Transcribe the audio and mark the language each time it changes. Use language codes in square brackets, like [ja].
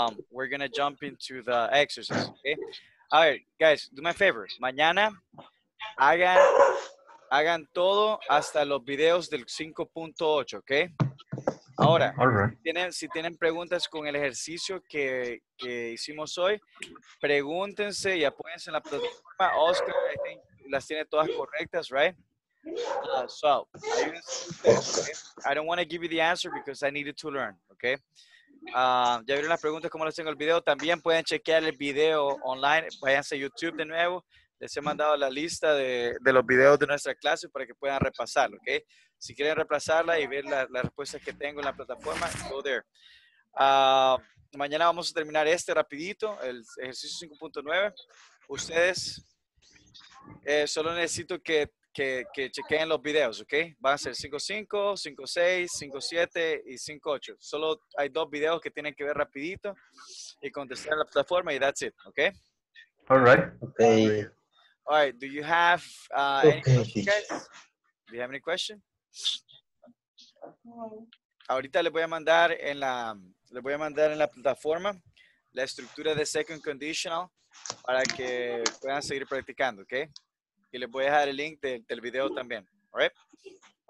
[en] We're going to jump into the exercise, okay? All right, guys, do me a favor. [es] Mañana, hagan todo hasta los videos del 5.8, okay? Ahora, [en] all right. [es] si tienen preguntas con el ejercicio que hicimos hoy, pregúntense y apóyense en la plataforma. Oscar, [en] I think. [es] Las tiene todas correctas, [en] right? I don't want to give you the answer because I needed to learn, okay? [es] Ya vieron las preguntas, como las tengo el video. También pueden chequear el video online. Váyanse a YouTube de nuevo. Les he mandado la lista de los videos de nuestra clase para que puedan repasarlo, okay? Si quieren repasarla y ver las respuestas que tengo en la plataforma, [en] go there. [es] Mañana vamos a terminar este rapidito, el ejercicio 5.9. Ustedes... solo necesito que chequeen los videos, ¿ok? Van a ser 5.5, 5.6, 5.7 y 5.8. Solo hay dos videos que tienen que ver rapidito y contestar en la plataforma y [en] that's it, [es] ¿ok? [en] All right. Okay. All right, do you have any questions, guys? Do you have any questions? No. [es] Ahorita les voy a mandar en la plataforma la estructura de second conditional para que puedan seguir practicando, ¿ok? Y les voy a dejar el link del video también. [en] All right?